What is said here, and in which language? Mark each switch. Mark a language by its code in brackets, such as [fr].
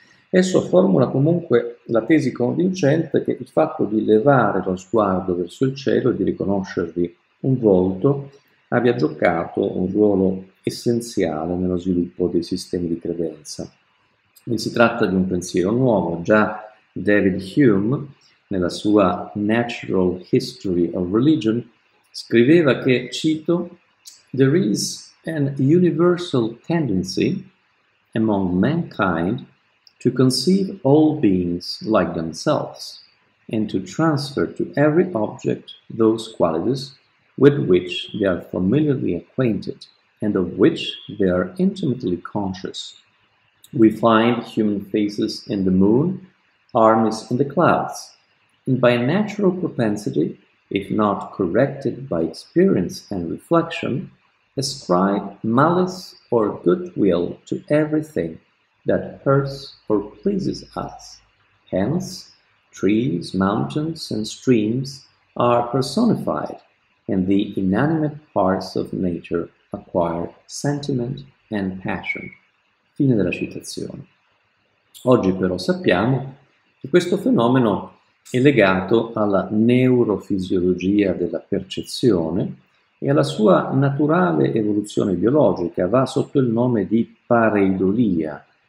[it] esso formula comunque la tesi convincente che il fatto di levare lo sguardo verso il cielo e di riconoscervi un volto abbia giocato un ruolo essenziale nello sviluppo dei sistemi di credenza. Quindi si tratta di un pensiero nuovo, già David Hume, nella sua Natural History of Religion, scriveva che, cito, [en] "There is an universal tendency among mankind to conceive all beings like themselves and to transfer to every object those qualities with which they are familiarly acquainted and of which they are intimately conscious. We find human faces in the moon, armies in the clouds, and by natural propensity, if not corrected by experience and reflection, ascribe malice or goodwill to everything that hurts or pleases us. Hence, trees, mountains, and streams are personified, and the inanimate parts of nature acquire sentiment and passion." [it] Fine della citazione. Oggi però sappiamo che questo fenomeno è legato alla neurofisiologia della percezione e alla sua naturale evoluzione biologica. Va sotto il nome di pareidolia.